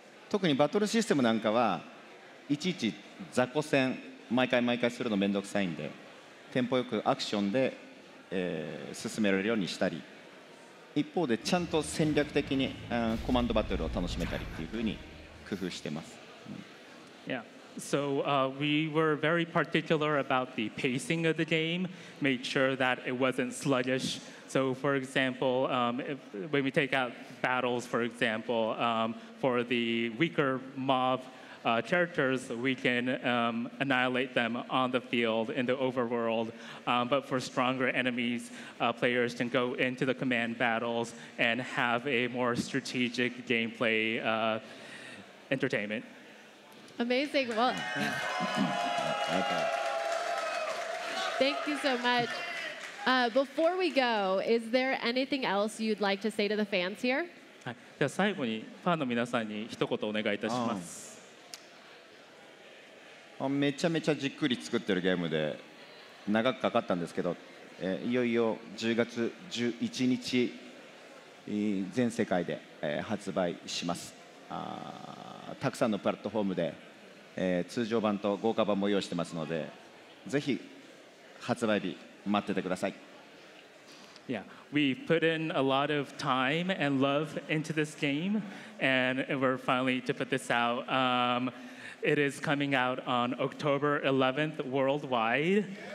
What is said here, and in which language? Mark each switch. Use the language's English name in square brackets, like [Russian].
[Japanese] 特にバトルシステムなんかはいちいち雑魚戦毎回するのめんどくさいんで、テンポよくアクションで、進められるようにしたり、一方でちゃんと戦略的に、コマンドバトルを楽しめたりっていうふうに工夫してます。 [English] Yeah, so we were very particular about the pacing of the game, made sure that it wasn't sluggish. So for example, when we take out battles, for example, for the weaker mobcharacters, we can annihilate them on the field in the overworld. But for stronger enemies, players can go into the command battles and have a more strategic gameplay entertainment. Amazing. Well, okay. Thank you so much. Before we go, is there anything else you'd like to say to the fans here? [Japanese] はい、では最後にファンの皆さんに一言お願いいたします。めちゃめちゃじっくり作ってるゲームで長くかかったんですけど、いよいよ10月11日全世界で発売します。たくさんのプラットフォームで通常版と豪華版も用意してますので、ぜひ発売日待っててください。 [English] Yeah, we've put in a lot of time and love into this game and we're finally to put this out. It is coming out on October 11th worldwide.